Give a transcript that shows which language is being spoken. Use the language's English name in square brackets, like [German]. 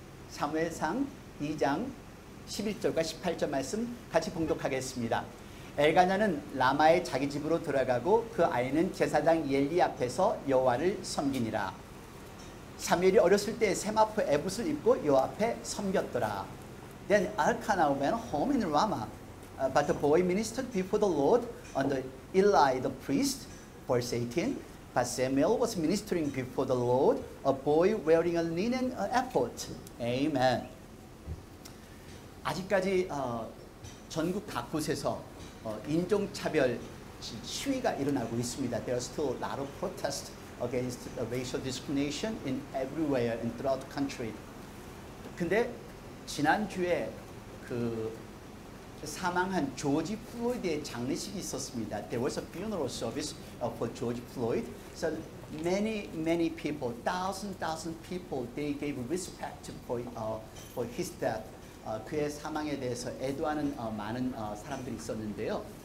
[Korean] 사무엘상 2장 11절과 18절 말씀 같이 봉독하겠습니다. 엘가냐는 라마의 자기 집으로 들어가고 그 아이는 제사장 엘리 앞에서 여호와를 섬기니라. 사무엘이 어렸을 때 세마포 에봇을 입고 여호와 앞에 섬겼더라. [English] Then Elkanah went home in Ramah, but the boy ministered before the Lord under Eli the priest. Verse 18. But Samuel was ministering before the Lord, a boy wearing a linen ephod. Amen. [Korean] 아직까지 전국 각곳에서 인종차별 시위가 일어나고 있습니다. [English] There are still a lot of protests against the racial discrimination in everywhere and throughout the country. [Korean] 근데 지난주에 그 사망한 조지 플로이드의 장례식이 있었습니다. [English] There was a funeral service for George Floyd. So many, many people, thousands, thousands of people, they gave respect for his death. [Korean] 그의 사망에 대해서 애도하는 많은 사람들이 있었는데요.